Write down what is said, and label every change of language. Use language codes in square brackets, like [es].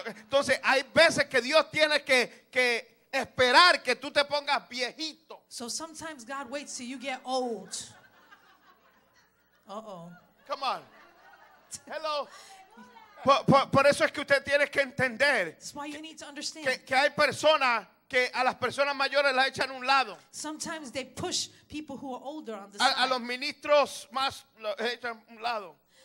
[es] Entonces hay veces que Dios tiene que esperar que tú te pongas viejito. [en] So sometimes God waits till you get old. Come on. Hello. [es] Por eso es que usted tiene que entender que hay personas que a las personas mayores las echan a un lado. [en] Sometimes they push people who are older on the side. [es] A los ministros más los echan a un lado.